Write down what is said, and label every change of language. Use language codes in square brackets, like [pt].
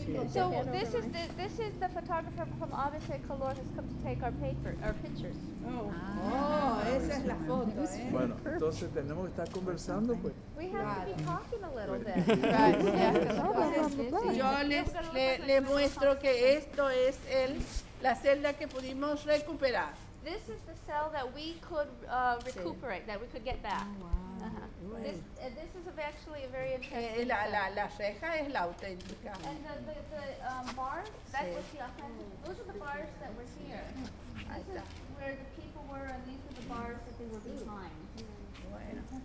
[en] this is the photographer from ABC Color has come to take our paper, our pictures. [es] Oh, esa es la foto. Bueno, entonces tenemos que estar conversando, pues. [en] We have to be talking a little bit. [es] Yo le muestro que esto es la celda que pudimos recuperar. [en] This is the cell that we could recuperate, that we could get back. This is actually a very interesting. [es] La reja es la auténtica. [en] And the bars, sí, that was the authentic. Those are the bars that were here. This is where the people were, and these are the bars that they were behind.